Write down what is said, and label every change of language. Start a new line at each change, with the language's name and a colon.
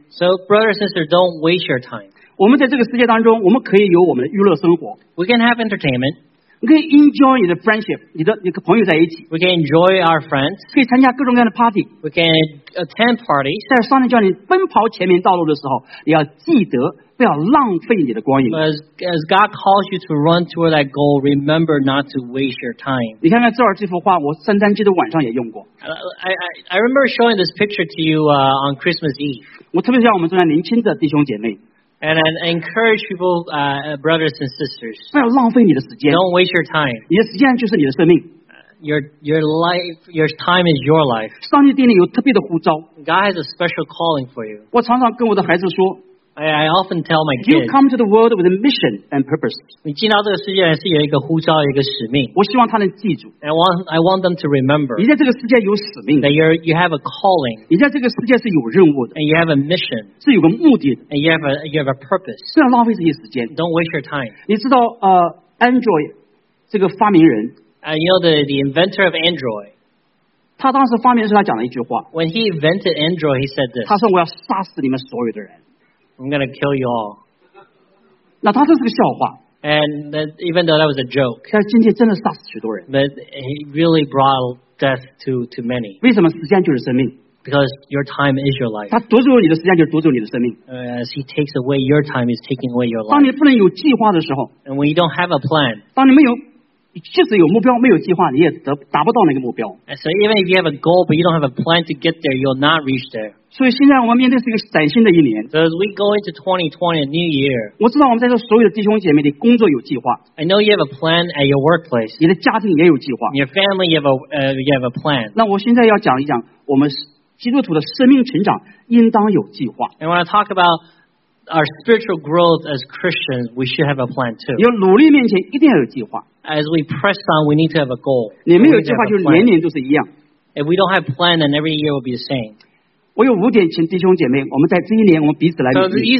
English: So brothers and sisters, don't waste your time.
Chinese: 我们在这个世界当中，我们可以有我们的娱乐生活。
English: We can have entertainment.
Chinese: 你可以
English: enjoy
Chinese: 你的
English: friendship，
Chinese: 你的朋友在一起。
English: We can enjoy our friends.
Chinese: 可以参加各种各样的 party.
English: We can attend parties.
Chinese: 但是上帝叫你奔跑前面道路的时候，你要记得不要浪费你的光阴。
English: As God calls you to run toward that goal, remember not to waste your time.
Chinese: 你看看这儿这幅画，我圣诞节的晚上也用过。
English: I remember showing this picture to you on Christmas Eve.
Chinese: 我特别向我们正在年轻的弟兄姐妹。
English: And I encourage people, brothers and sisters.
Chinese: 不要浪费你的时间。
English: Don't waste your time.
Chinese: 你的时间就是你的生命。
English: Your life, your time is your life.
Chinese: 上帝对你有特别的呼召。
English: God has a special calling for you.
Chinese: 我常常跟我的孩子说。
English: I often tell my kids. You come to the world with a mission and purpose.
Chinese: 你进到这个世界是有一个呼召，一个使命。我希望他能记住。
English: I want them to remember.
Chinese: 你在这个世界有使命。
English: That you have a calling.
Chinese: 你在这个世界是有任务的。
English: And you have a mission.
Chinese: 是有个目的的。
English: And you have a purpose.
Chinese: 不要浪费这些时间。
English: Don't waste your time.
Chinese: 你知道Android 这个发明人。
English: You know the inventor of Android.
Chinese: 他当时发明的时候他讲了一句话。
English: When he invented Android, he said this.
Chinese: 他说我要杀死你们所有的人。
English: I'm gonna kill you all.
Chinese: 那他这是个笑话。
English: And that, even though that was a joke.
Chinese: 但今天真的杀死许多人。
English: But he really brought death to many.
Chinese: 为什么时间就是生命？
English: Because your time is your life.
Chinese: 他夺走你的时间就是夺走你的生命。
English: As he takes away your time, he's taking away your life.
Chinese: 当你不能有计划的时候。
English: And when you don't have a plan.
Chinese: 当你没有，即使有目标，没有计划，你也达不到那个目标。
English: And so even if you have a goal, but you don't have a plan to get there, you'll not reach there.
Chinese: 所以现在我们面对是一个崭新的一年。
English: So as we go into 2020, a new year.
Chinese: 我知道我们在这所有的弟兄姐妹的工作有计划。
English: I know you have a plan at your workplace.
Chinese: 你的家庭也有计划。
English: Your family, you have a plan.
Chinese: 那我现在要讲一讲我们基督徒的生命成长应当有计划。
English: And when I talk about our spiritual growth as Christians, we should have a plan too.
Chinese: 要努力面前一定要有计划。
English: As we press on, we need to have a goal.
Chinese: 你没有计划就年年都是一样。
English: If we don't have a plan, then every year will be the same.
Chinese: 我有五点请弟兄姐妹我们在这一年我们彼此来努力。